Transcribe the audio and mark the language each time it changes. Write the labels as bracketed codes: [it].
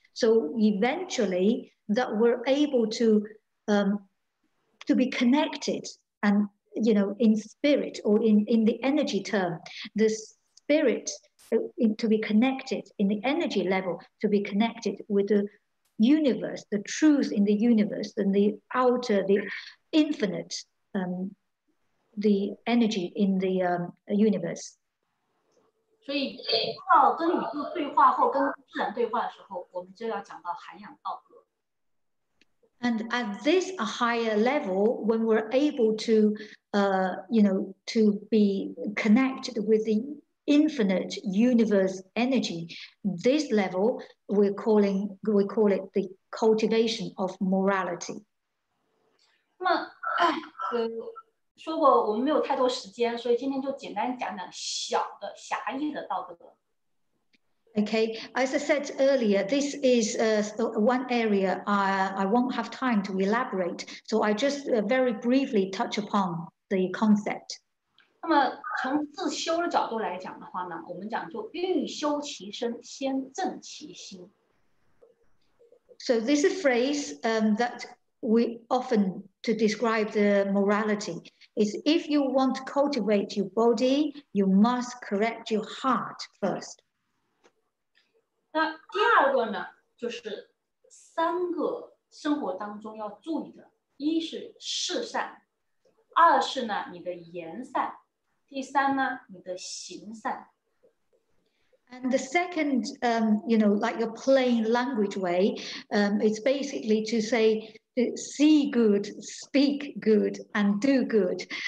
[en] So eventually that we're able to be connected and, you know, in spirit or in the energy term, the spirit to be connected in the energy level, to be connected with the universe, the truth in the universe, and the outer, the infinite, the energy in the universe. [zh] 所以到跟宇宙对话或跟自然对话的时候，我们就要讲到涵养道德。 [en] And at this higher level, when we're able to, to be connected with the infinite universe energy, this level we call it the cultivation of morality. [zh] 那说过我们没有太多时间，所以今天就简单讲讲小的狭义的道德。 [en] Okay, as I said earlier, this is one area I won't have time to elaborate, so I just very briefly touch upon the concept. [zh] 那么从自修的角度来讲的话呢，我们讲就欲修其身，先正其心。 [en] So this is a phrase that we often to describe the morality. Is if you want to cultivate your body, you must correct your heart first. [zh] 那第二个呢，就是三个生活当中要注意的：一是事善，二是呢你的言善，第三呢你的行善。 [en] And the second, like a plain language way, it's basically to say. See good, speak good, and do good.